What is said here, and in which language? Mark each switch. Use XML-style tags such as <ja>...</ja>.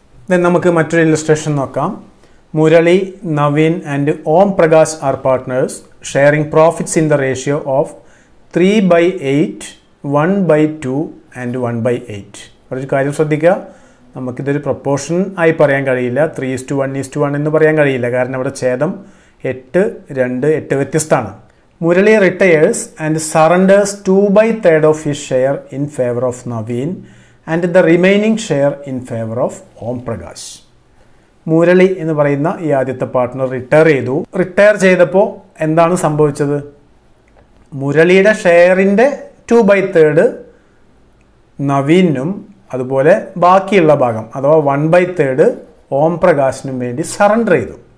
<en>then</en> <ml>നമുക്ക് മറ്റൊരു illustration നോക്കാം.</ml> <en>Murali, Naveen and Om Prakash are partners sharing profits in the ratio of 3/8, 1/2 and 1/8.</en> <ml>ഒരു കാര്യം ശ്രദ്ധിക്കുക, നമുക്കിതൊരു പ്രൊപ്പോർഷൻ ആയി പറയാൻ കഴിയില്ല, 3:1:1 എന്ന് പറയാൻ കഴിയില്ല. കാരണം അവിടെ ഛേദം 8, 2, 8 വ്യത്യസ്തമാണ്.</ml> <en>Murali retires and surrenders 2/3 of his share in favor of Naveen and the remaining share in favor of Om Prakash.</en> <ml>Murali എന്ന് പറയുന്ന ഈ ആദ്യത്തെ പാർട്ട്ണർ റിട്ടയർ ചെയ്തു. റിട്ടയർ ചെയ്തപ്പോൾ എന്താണ് സംഭവിച്ചത്? മുരളിയുടെ ഷെയറിൻ്റെ 2/3 നവീനും അതുപോലെ ബാക്കിയുള്ള ഭാഗം അഥവാ 1/3 ഓം പ്രകാശിനും വേണ്ടി സറണ്ടർ ചെയ്തു.</ml>